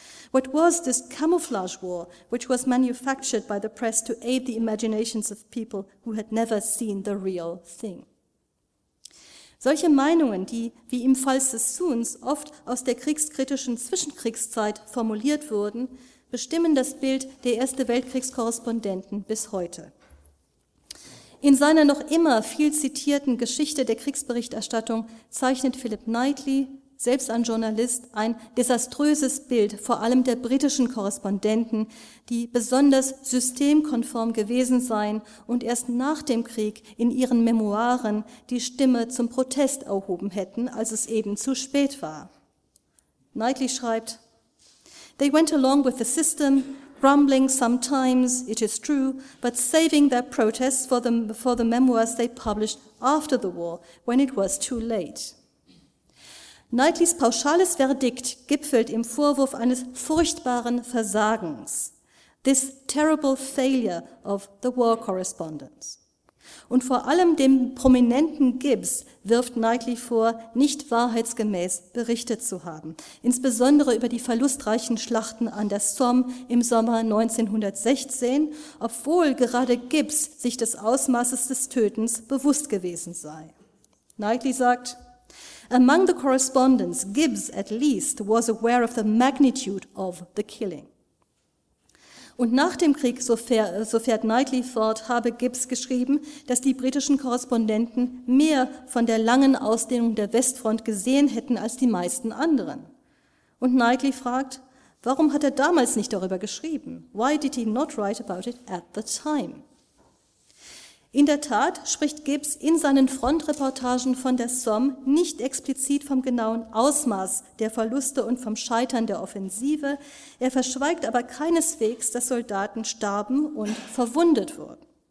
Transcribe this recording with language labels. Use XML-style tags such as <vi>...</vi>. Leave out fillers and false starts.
<en>What was this camouflage war which was manufactured by the press to aid the imaginations of people who had never seen the real thing?</en> <de>Solche Meinungen, die, wie im Fall Sassoons, oft aus der kriegskritischen Zwischenkriegszeit formuliert wurden, bestimmen das Bild der Erste Weltkriegskorrespondenten bis heute. In seiner noch immer viel zitierten Geschichte der Kriegsberichterstattung zeichnet Philip Knightley, selbst ein Journalist, ein desaströses Bild, vor allem der britischen Korrespondenten, die besonders systemkonform gewesen seien und erst nach dem Krieg in ihren Memoiren die Stimme zum Protest erhoben hätten, als es eben zu spät war. Knightley schreibt,</de> <en>"They went along with the system, grumbling sometimes, it is true, but saving their protests for the memoirs they published after the war, when it was too late."</en> <de>Knightleys pauschales Verdikt gipfelt im Vorwurf eines furchtbaren Versagens,</de> <en>this terrible failure of the war correspondents.</en> <de>Und vor allem dem prominenten Gibbs wirft Knightley vor, nicht wahrheitsgemäß berichtet zu haben, insbesondere über die verlustreichen Schlachten an der Somme im Sommer 1916, obwohl gerade Gibbs sich des Ausmaßes des Tötens bewusst gewesen sei. Knightley sagt,</de> <en>"Among the correspondents, Gibbs at least was aware of the magnitude of the killing."</en> <de>Und nach dem Krieg, so fährt Knightley fort, habe Gibbs geschrieben, dass die britischen Korrespondenten mehr von der langen Ausdehnung der Westfront gesehen hätten als die meisten anderen. Und Knightley fragt, warum hat er damals nicht darüber geschrieben?</de> <en>Why did he not write about it at the time?</en> <de>In der Tat spricht Gibbs in seinen Frontreportagen von der Somme nicht explizit vom genauen Ausmaß der Verluste und vom Scheitern der Offensive, er verschweigt aber keineswegs, dass Soldaten starben und verwundet wurden.</de>